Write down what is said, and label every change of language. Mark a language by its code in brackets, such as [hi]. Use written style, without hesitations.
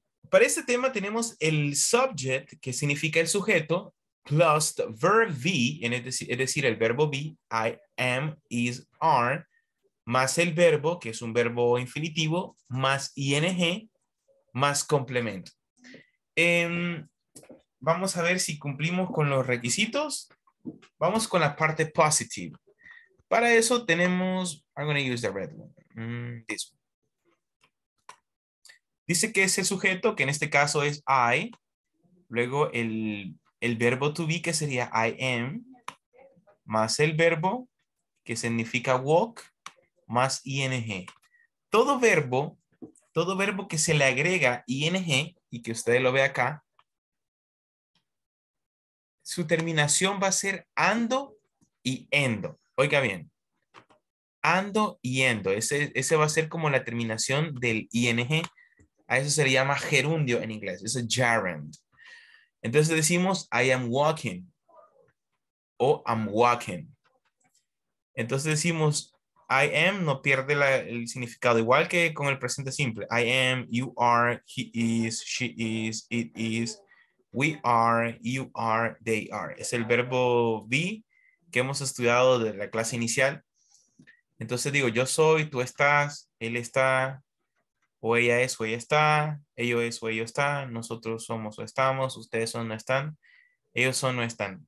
[es] para este tema tenemos el subject, que significa el sujeto, [en] plus the verb be, [es] es decir, el verbo be, [en] I am, is, are, [es] más el verbo, que es un verbo infinitivo, más ing, más complemento. Vamos a ver si cumplimos con los requisitos. Vamos con la parte positive. Para eso tenemos, [en] I'm going to use the red one, this one. [es] Dice que es el sujeto, que en este caso es I. Luego el verbo to be, que sería I am. Más el verbo, que significa walk, más ing. Todo verbo que se le agrega ing, y que ustedes lo vean acá, su terminación va a ser ando y endo. Oiga bien. Ando y endo. Ese va a ser como la terminación del ing. A eso se le llama gerundio en inglés. Es gerund. Entonces decimos, [en] I am walking. [es] O [en] I'm walking. [es] Entonces decimos, I am no pierde la, el significado, igual que con el presente simple. [en] I am, you are, he is, she is, it is, we are, you are, they are. [es] Es el verbo be que hemos estudiado de la clase inicial. Entonces digo, yo soy, tú estás, él está, o ella es, o ella está, ello es, o ello está, nosotros somos, o estamos, ustedes son, o no están, ellos son, o no están.